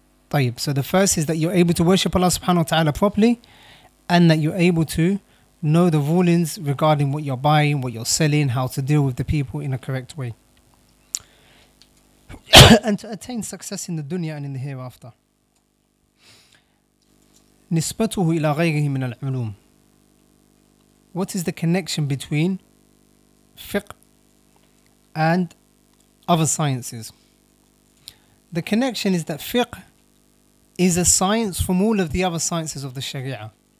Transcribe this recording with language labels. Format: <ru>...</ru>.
<ar>طيب,</ar> <en>so the first is that you're able to worship Allah subhanahu wa ta'ala properly, and that you're able to know the rulings regarding what you're buying, what you're selling, how to deal with the people in a correct way. And to attain success in the dunya and in the hereafter.</en> <ar>نسبته إلى غيره من العلوم.</ar> <en>What is the connection between fiqh and other sciences? The connection is that fiqh is a science from all of the other sciences of the sharia.</en>